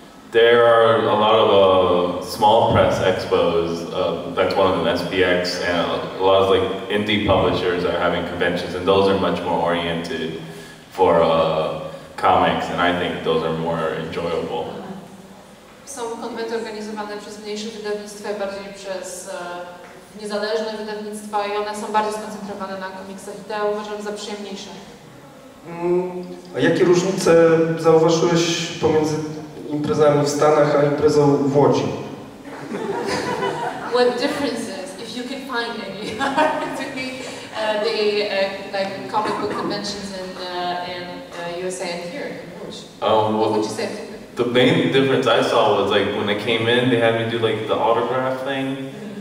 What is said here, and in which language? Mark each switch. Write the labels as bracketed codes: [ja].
[en] There are a lot of small press expos, that's one of them, SPX, and a lot of like indie publishers are having conventions, and those are much more oriented for comics, and I think those are more enjoyable. [pl] Są konwenty organizowane przez mniejsze wydawnictwa, bardziej przez niezależne wydawnictwa i one są bardziej skoncentrowane na komiksach i te uważam za przyjemniejsze. A jakie różnice zauważyłeś pomiędzy imprezami w Stanach a imprezą w Łodzi? [en] What difference is, if you can find any, like comic book conventions in USA and here in Łódź? What would you say? The main difference I saw was like when I came in, they had me do like the autograph thing.